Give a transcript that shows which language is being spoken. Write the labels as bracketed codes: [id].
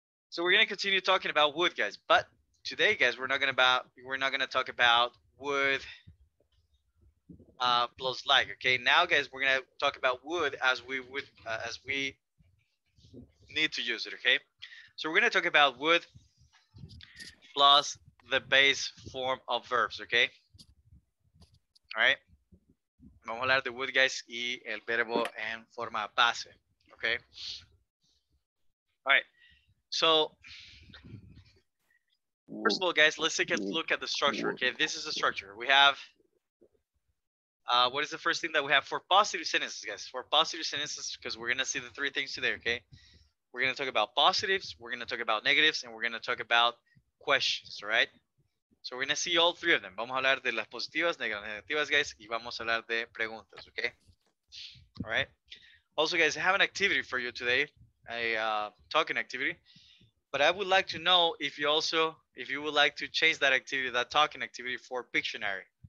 [en] So we're going to continue talking about wood, guys. But today, guys, we're not going to talk about wood plus like, okay? Now, guys, we're going to talk about wood as we would as we need to use it, okay? So we're going to talk about wood plus the base form of verbs, okay? All right? [es] Vamos a hablar de wood, guys, y el verbo en forma base, okay? [en] All right. So, first of all, guys, let's take a look at the structure, okay? This is the structure. We have, what is the first thing that we have for positive sentences, guys? For positive sentences, because we're going to see the three things today, okay? We're going to talk about positives, we're going to talk about negatives, and we're going to talk about questions, all right? So we're going to see all three of them. [es] Vamos a hablar de las positivas, negativas, guys, y vamos a hablar de preguntas, okay? [en] All right? Also, guys, I have an activity for you today. A talking activity, but I would like to know if you would like to change that activity, that talking activity, for Pictionary.